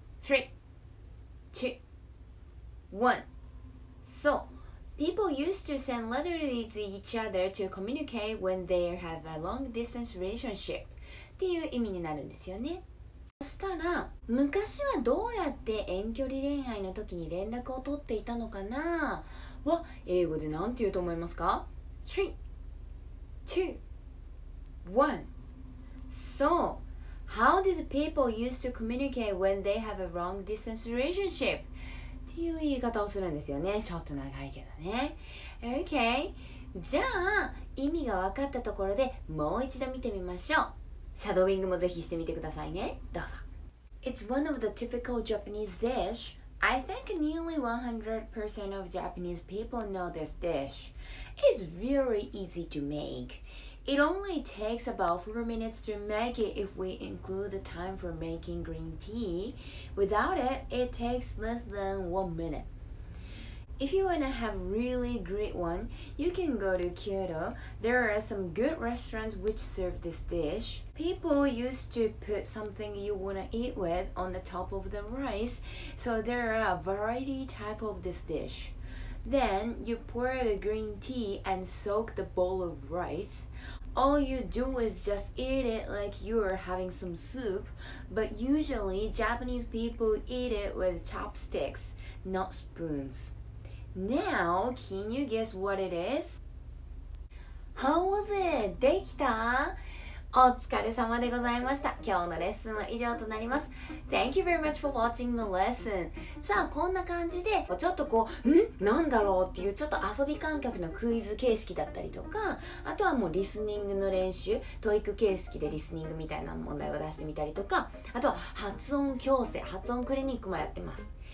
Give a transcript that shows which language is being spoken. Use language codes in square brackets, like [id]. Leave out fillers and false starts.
[en] 3, 2, 1. So, people used to send letters to each other to communicate when they have a long distance relationship [ja] っていう意味になるんですよね。そしたら、昔はどうやって遠距離恋愛の時に連絡を取っていたのかなは英語でなんて言うと思いますか。 [en] 3, 2, 1. So, how did people used to communicate when they have a long distance relationship? [ja] っていう言い方をするんですよね。ちょっと長いけどね。OK、 じゃあ意味が分かったところでもう一度見てみましょう。シャドウイングもぜひしてみてくださいね。どうぞ。 [en] It's one of the typical Japanese dish. I think nearly 100% of Japanese people know this dish. It is very easy to make. It only takes about 4 minutes to make it if we include the time for making green tea. Without it, it takes less than 1 minute. If you want to have a really great one, you can go to Kyoto. There are some good restaurants which serve this dish. People used to put something you wanna eat with on the top of the rice, so there are a variety type of this dish. Then you pour the green tea and soak the bowl of rice. All you do is just eat it like you're having some soup, but usually Japanese people eat it with chopsticks, not spoons. Now, can you guess what it is? How was it? [ja] できた? お疲れ様でございました。今日のレッスンは以上となります。 [en] Thank you very much for watching the lesson. [ja] さあ、こんな感じで、ちょっとこう、ん?なんだろうっていう、ちょっと遊び感覚のクイズ形式だったりとか、あとはもうリスニングの練習、トイック形式でリスニングみたいな問題を出してみたりとか、あとは発音矯正、発音クリニックもやってます。